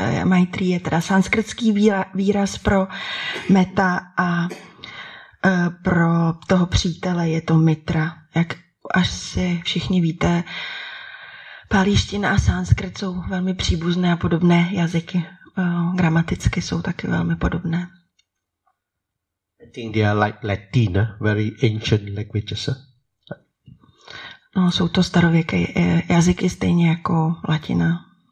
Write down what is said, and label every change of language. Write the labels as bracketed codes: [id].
[cs] Maitri je teda sanskritský výraz pro metta a pro toho přítele je to mitra. Jak až si všichni víte, pálíština a sanskrit jsou velmi příbuzné a podobné jazyky. Gramaticky jsou taky velmi podobné. [en] I think they are like Latin, very ancient languages. [cs] No, jsou to starověké jazyky stejně jako latina.